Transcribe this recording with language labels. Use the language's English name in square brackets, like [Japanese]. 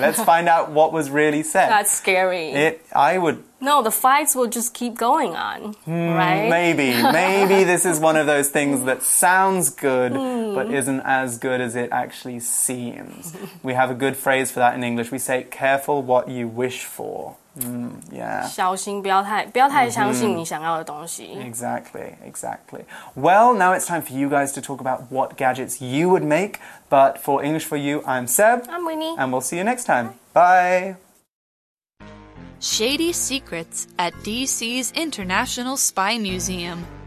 [English] Let's find out what was really said. That's scary. No, the fights will just keep going on, right? Maybe this is one of those things that sounds good, but isn't as good as it actually seems. We have a good phrase for that in English. We say, careful what you wish for. [Chinese] 小心不要太相信你想要的东西。 [English] Exactly. Well, now it's time for you guys to talk about what gadgets you would make. But for English for You, I'm Seb. I'm Winnie. And we'll see you next time. Bye. Shady Secrets at DC's International Spy Museum.